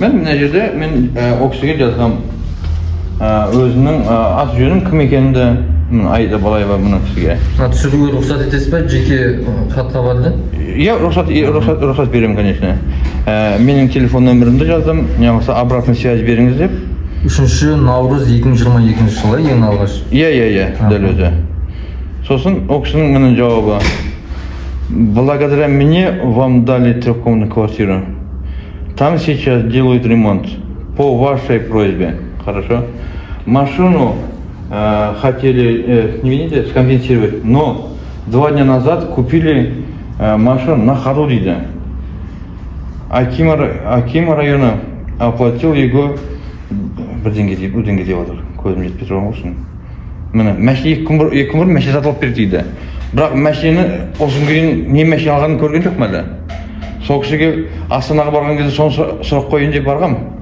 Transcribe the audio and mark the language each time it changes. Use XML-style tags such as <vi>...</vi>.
<kk>Мен мына жерде мен ол кісіге жазғам өзімнің аты жөнім кім екенімді. Айда Балаева мына кісіге мына түсіруге рұқсат етесіз ба? Жеке хат хабарды рұқсат беремін, конечно. Менің телефон нөмірімді жаздым, не болмаса</kk> <ru>обратный связь</ru> <kk>беріңіз деп. 3 наурыз 2022 жылы ең алғаш. Иә, дәл өзі. Сосын ол кісінің мына жауабы:</kk> <ru>благодаря мне вам дали трехкомнатную квартиру, там сейчас делают ремонт по вашей просьбе. Хорошо. Машину хотели скомпенсировать, но 2 дня назад купили машину на Харурида. Аким района оплатил его.</ru> <kk>Бірденге деп, бірденге деп отыр, көзім жетпей тұрған болсын. Міне, екі күн бұрын машина сатылып берді дейді. Бірақ машина осы күнге дейін не машина алғанын көрген жоқ ма әлі? Сол кісіге Астанаға барған кезде соны сұрап қояйын деп барғанмын.</kk>